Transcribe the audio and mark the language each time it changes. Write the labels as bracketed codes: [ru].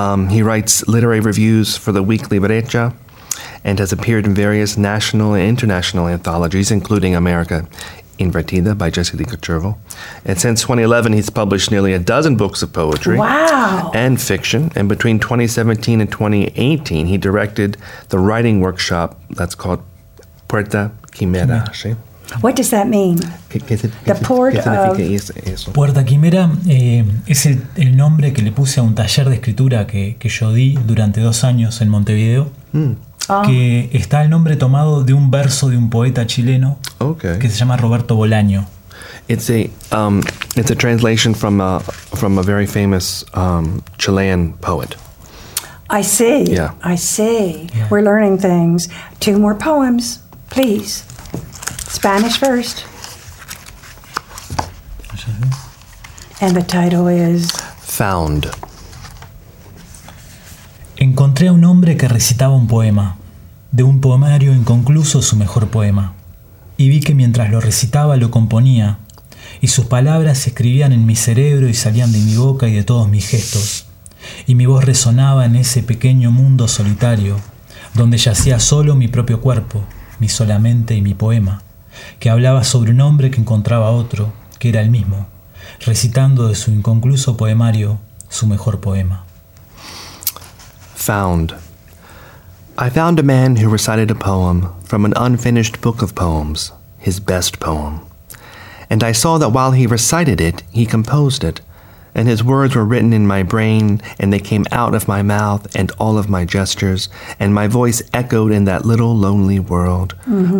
[en] He writes literary reviews for the weekly Brecha and has appeared in various national and international anthologies, including America Invertida by Jesse de Cotcherville. And since 2011, he's published nearly a dozen books of poetry. Wow. And fiction. And between 2017 and 2018, he directed the writing workshop that's called Puerta Quimera. What does that mean? The port of... [es] Puerta Quimera es el nombre que le puse a un taller de escritura que yo di durante 2 años en Montevideo. Que está el nombre tomado de un verso de un poeta chileno que se llama Roberto Bolaño. [en] It's a translation from a very famous Chilean poet. I see. Yeah. I see. Yeah. We're learning things. Two more poems, please. Spanish first. And the title is Found. [es] Encontré a un hombre que recitaba un poema. De un poemario inconcluso su mejor poema. Y vi que mientras lo recitaba lo componía, y sus palabras se escribían en mi cerebro y salían de mi boca y de todos mis gestos, y mi voz resonaba en ese pequeño mundo solitario, donde yacía solo mi propio cuerpo, mi sola mente y mi poema, que hablaba sobre un hombre que encontraba otro, que era el mismo, recitando de su inconcluso poemario su mejor poema. [en] Found. I found a man who recited a poem from an unfinished book of poems, his best poem. And I saw that while he recited it, he composed it, and his words were written in my brain, and they came out of my mouth and all of my gestures, and my voice echoed in that little lonely world mm-hmm.